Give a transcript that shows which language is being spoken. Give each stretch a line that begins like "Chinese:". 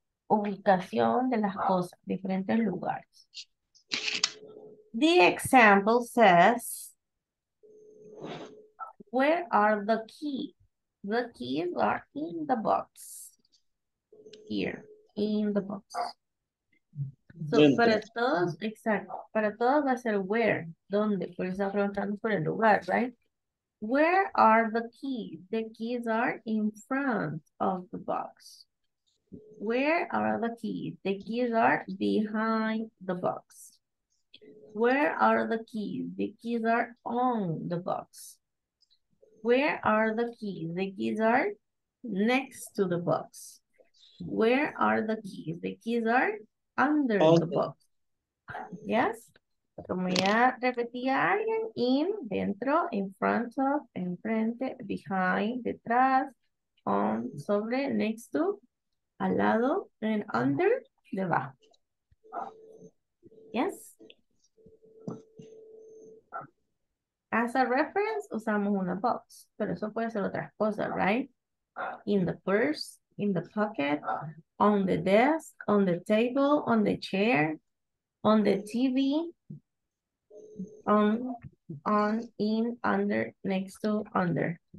Spanish: Ubicación de las cosas, diferentes lugares.
English: The example says, where are the keys? The keys are in the box. Here, in the box.
Spanish: So, para todos, exacto. Para todos va a ser where, donde. Por eso está preguntando por el lugar, right?
English: Where are the keys? The keys are in front of the box. Where are the keys? The keys are behind the box. Where are the keys? The keys are on the box. Where are the keys? The keys are next to the box. Where are the keys? The keys are under the box. Yes?
Spanish: Como ya repetía alguien, in, dentro, in front of, enfrente, behind, detrás, on, sobre, next to, al lado, and under, debajo. Yes?
English: As a reference,
Spanish: usamos una box, pero eso puede ser otra cosa, right?
English: In the purse, in the pocket, on the desk, on the table, on the chair, on the TV, on, in, under, next to, under.